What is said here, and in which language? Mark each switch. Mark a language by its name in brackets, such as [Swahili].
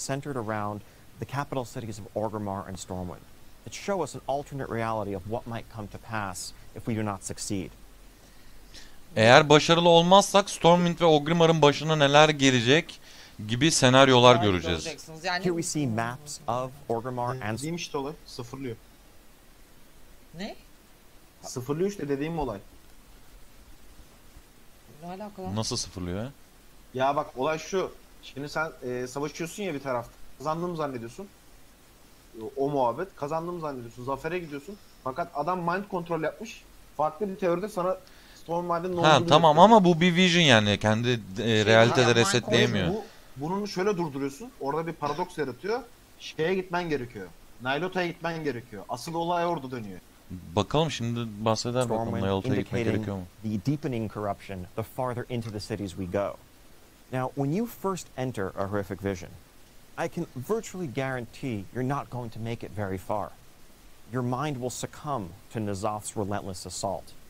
[English] Centered around the capital cities of Orgrimmar and Stormwind. It show us an alternate reality of what might come to pass if we do not succeed. [Turkish] Eğer başarılı olmazsak Stormwind ve Orgrimmar'ın başına neler gelecek gibi senaryolar yani göreceğiz. [English] Yani here we see maps of Orgrimmar and [Turkish] demiş de olay sıfırlıyor. Ne? Sıfırlıyor işte dediğim olay. Ne alakalı? Nasıl sıfırlıyor? Ya bak olay şu. Şimdi sen savaşıyorsun ya bir tarafta. Kazandığımı zannediyorsun. O muhabbet. Kazandığımı zannediyorsun. Zafere gidiyorsun. Fakat adam mind control yapmış. Farklı bir teoride sana ha tamam yoktu. Ama bu bir vision yani kendi realitede resetleyemiyor. Bunu şöyle durduruyorsun. Orada bir paradoks yaratıyor. Şeye gitmen gerekiyor. Nailota'ya gitmen gerekiyor. Asıl olay orada dönüyor. Bakalım şimdi bahseder bakalım Nailota'ya gitmek gerekiyor mu? [English] The deepening corruption the farther into the cities we go. Now when you first enter a horrific vision, I can virtually guarantee you're not going to make it very far. Your mind will succumb to Nazoth's relentless assault.